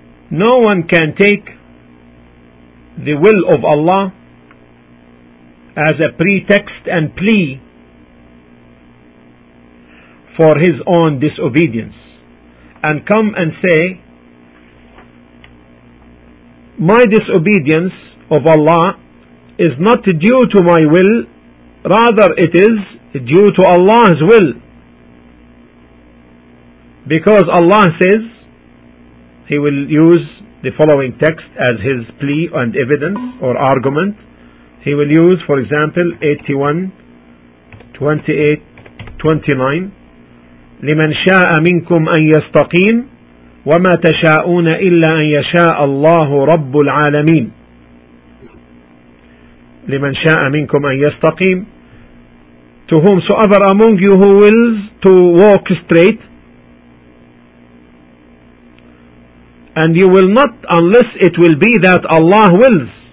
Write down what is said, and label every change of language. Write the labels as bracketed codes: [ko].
[en] no one can take the will of Allah as a pretext and plea for his own disobedience and come and say, my disobedience of Allah is not due to my will, rather it is due to Allah's will. Because Allah says, he will use the following text as his plea and evidence or argument. He will use, for example, 81:28-29, [ar] لمن شاء منكم أن يستقيم وما تشاءون إلا أن يشاء الله رب العالمين. لمن شاء منكم أن يستقيم, [en] to whomsoever among you who wills to walk straight, and you will not unless it will be that Allah wills.